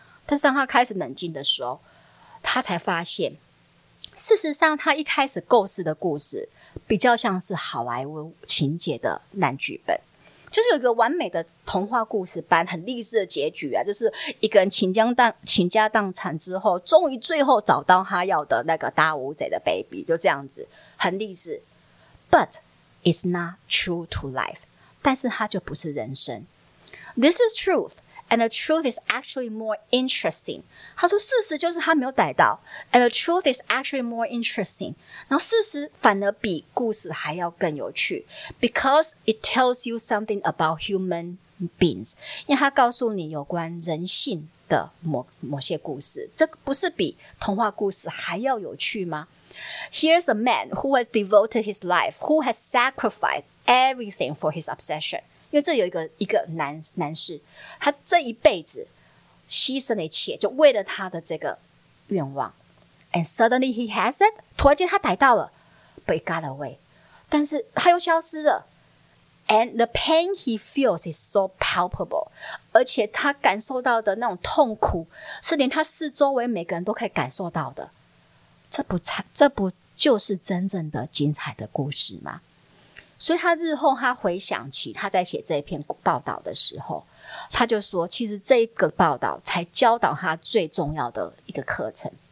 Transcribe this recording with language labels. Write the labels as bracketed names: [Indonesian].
[Chinese] 但是当他开始冷静的时候，他才发现，事实上他一开始构思的故事比较像是好莱坞情节的烂剧本。就是有一个完美的童话故事般很励志的结局啊，就是一个人倾家荡产之后，终于最后找到他要的那个大乌贼的 baby， 就这样子，很励志。 [English] But it's not true to life， [Chinese] 但是它就不是人生。 [English] This is truth， and the truth is actually more interesting。 [Chinese] 他说事实就是他没有逮到， [English] and the truth is actually more interesting。 [Chinese] 然后事实反而比故事还要更有趣 ， [English] because it tells you something about human beings， [Chinese] 因为它告诉你有关人性的某些故事。这不是比童话故事还要有趣吗？ [English] Here's a man who has devoted his life, who has sacrificed everything for his obsession. [Chinese] 因为这有一个男士，他这一辈子牺牲了一切，就为了他的这个愿望。 [English] And suddenly he has it. [Chinese] 突然间他逮到了 [English] ，but it got away. [Chinese] 但是他又消失了。 [English] And the pain he feels is so palpable. [Chinese] 而且他感受到的那种痛苦，是连他四周围每个人都可以感受到的。这不就是真正的精彩的故事吗？所以他日后他回想起他在写这篇报道的时候，他就说其实这个报道才教导他最重要的一个课程。